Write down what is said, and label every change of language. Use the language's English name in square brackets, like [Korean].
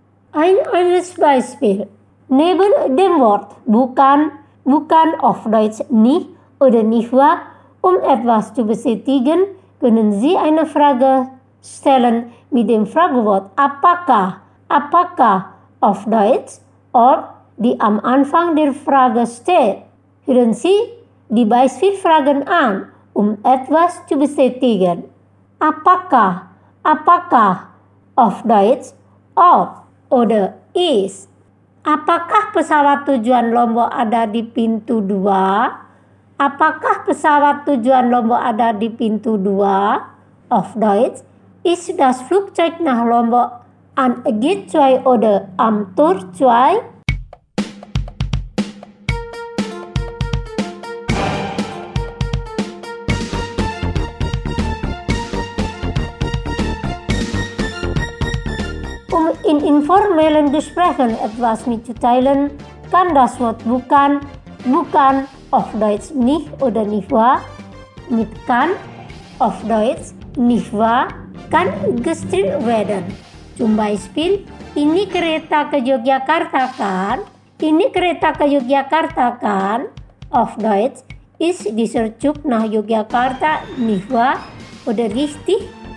[German] Ein anderes Beispiel. Neben dem Wort bukan, bukan auf Deutsch nicht oder nicht wahr, um etwas zu bestätigen, können Sie eine Frage stellen mit dem Fragewort apakah, apakah auf Deutsch ob, die am Anfang der Frage steht. Hören Sie die Beispielfragen an, um etwas zu bestätigen. Apakah, apakah, auf Deutsch, ob, oder ist. [Indonesian] Apakah pesawat tujuan Lombok ada di pintu 2? Apakah pesawat tujuan Lombok ada di pintu 2? [German] Auf Deutsch, ist das Flugzeug nach Lombok an Gate 2 oder am Tor 2? In informellen Gesprächen etwas mitzuteilen, kann das Wort bukan bukan auf Deutsch nicht oder nicht wahr, mit kann auf Deutsch nicht wahr kann gestrichen werden. Zum Beispiel, [Indonesian] ini kereta ke Yogyakarta kan? Ini kereta ke Yogyakarta kan? [German] Auf Deutsch ist dieser Zug nach Yogyakarta nicht wahr oder richtig?